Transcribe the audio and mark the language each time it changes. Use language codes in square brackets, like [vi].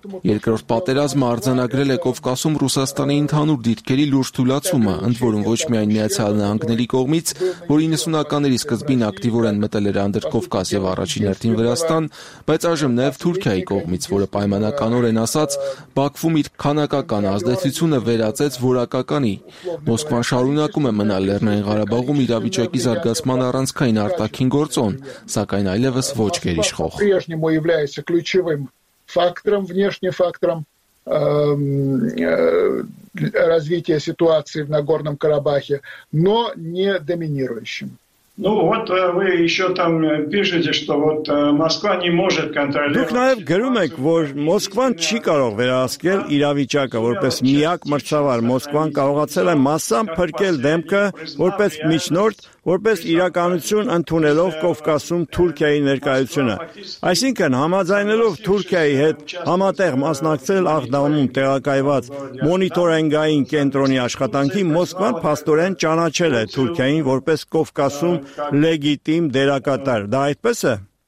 [hy] Երկրորդ պատերազմը արձանագրել է Կովկասում Ռուսաստանի ընդհանուր դիրքերի լուրջ թուլացումը, ընդ որում ոչ միայն Միացյալ Նահանգների կողմից, որ 90-ականների սկզբին ակտիվորեն մտել էր Անդրկովկաս եւ առաջին հերթին Վրաստան, բայց այժմ նաեւ Թուրքիայի կողմից, որը պայմանականորեն ասած Բաքվում իր քանակական ազդեցությունը վերածեց որակականի։ Մոսկվան շարունակում է մնալ Լեռնային Ղարաբաղում իրավիճակի զարգացման առանցքային արտաքին գործոն, սակայն այլևս ոչ գերիշխող։ [ru] Фактором, внешним фактором развития ситуации в Нагорном Карабахе, но не доминирующим. Ну вот вы еще там пишете, что вот Москва не может контролировать. [hy] Դուք նաև գրում եք, որ Մոսկվան չի կարող վերահսկել իրավիճակը, որպես միակ մրցավար Մոսկվան կարողացել է մասամբ փրկել դեմքը, որպես միջնորդ, որպես իրականություն ընդունելով Կովկասում Թուրքիայի ներկայությունը, այսինքն համաձայնելով Թուրքիայի հետ համատեղ մասնակցել Աղդամում տեղակայված մոնիտորինգային կենտրոնի աշխատանքին, Մոսկվան փաստորեն ճանաչել է Թուրքիային որպես Կովկասում լեգիտիմ դերակատար։ Դա այդպես է։